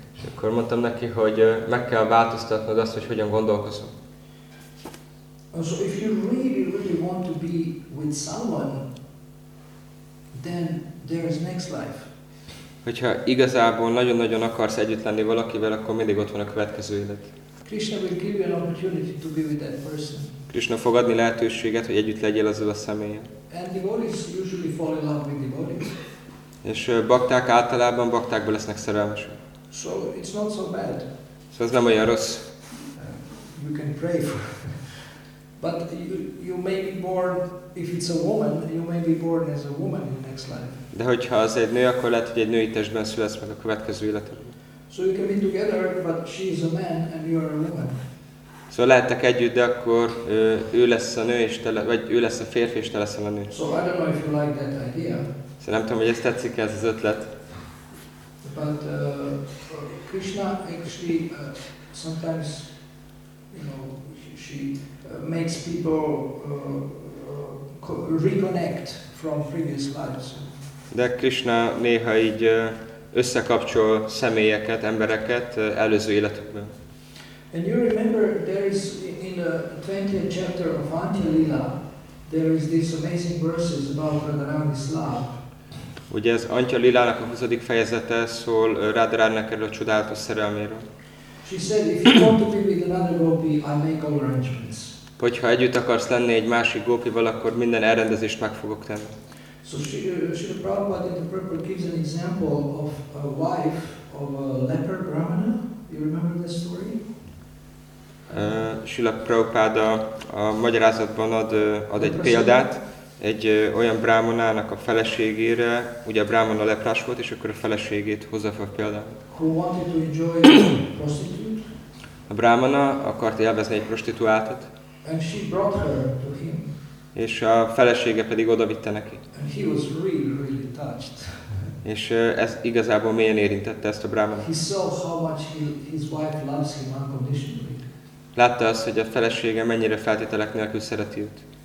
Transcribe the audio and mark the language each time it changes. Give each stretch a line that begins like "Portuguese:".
Hungarian: És akkor mondtam neki, hogy meg kell változtatnod azt, hogy hogyan gondolkozom.
English: So if you really, really want to be with someone, then there is next life.
Hungarian: Hogyha igazából nagyon-nagyon akarsz együtt lenni valakivel, akkor mindig ott van a következő élet.
English: Krishna will give you an opportunity to be with that person.
Hungarian: Krishna fog adni lehetőséget, hogy együtt legyél azzal a személlyel.
English: And devotees usually fall in love with devotees.
Hungarian: És bakták általában baktákba lesznek szerelmesek.
English: So it's not so bad.
Hungarian: Szóval ez nem olyan rossz.
English: You can pray for. But you may be born, if it's a woman, you may be born as a woman in next life.
Hungarian: De hogyha az egy nő, akkor lehet, hogy egy női testben születsz meg a következő életedben.
English: So you can be together, but she is a man and you are a woman.
Hungarian: Szóval lehettek együtt, de akkor ő lesz a nő, és te vagy ő lesz a férfi, és te leszel a nő.
English: So I don't know if you like that idea.
Hungarian: Szóval nem tudom, hogy ezt tetszik ez az ötlet.
English: But Krishna actually sometimes, you know, she makes people reconnect from previous lives.
Hungarian: De Krishna néha így összekapcsol személyeket, embereket előző életükben.
English: And you remember there is in the 20th chapter of Antya-lila, there is these amazing verses about Radharani's love.
Hungarian: Ugye ez Antya-lilának a 20. fejezete szól Radharani-nak erről a csodálatos szerelméről.
English: She said, if you want to be with another gopi, I make all arrangements.
Hungarian: Hogyha együtt akarsz lenni egy másik gópival, akkor minden elrendezést meg fogok tenni.
English: So Srila Prabhupada in the purport gives an example of a wife of a leper brahmana. You remember that story?
Hungarian: Srila Prabhupada a magyarázatban ad egy példát egy olyan brámonának a feleségére, ugye a brámona leprás volt, és akkor a feleségét hozza fel példát.
English: Who wanted to enjoy the prostitute?
Hungarian: A brámona akart élvezni egy prostituáltat.
English: And she brought her to him.
Hungarian: És a felesége pedig odavitte neki.
English: And he was really, really touched.
Hungarian: És ez igazából mélyen érintette ezt a brámonát.
English: He saw how much his wife loves him unconditionally.
Hungarian: Látta azt, hogy a felesége mennyire feltételek nélkül szereti őt.